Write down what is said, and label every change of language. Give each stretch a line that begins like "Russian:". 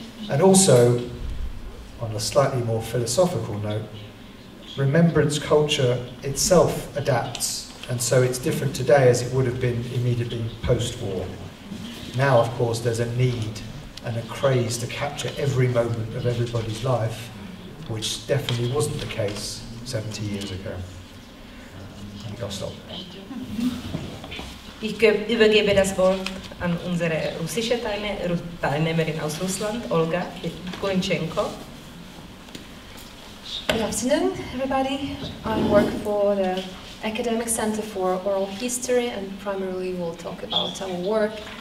English: And also, on a slightly more philosophical note, remembrance culture itself adapts. And so it's different today as it would have been immediately post-war. Now, of course, there's a need and a craze to capture every moment of everybody's life, which definitely wasn't the case 70 years ago. And I'll stop.
German: Ich übergebe das Wort an unsere russische Teilnehmerin aus Russland, Olga Kulinchenko.
English: Good afternoon, everybody. I work for the Academic Center for Oral History, and primarily we'll talk about our work.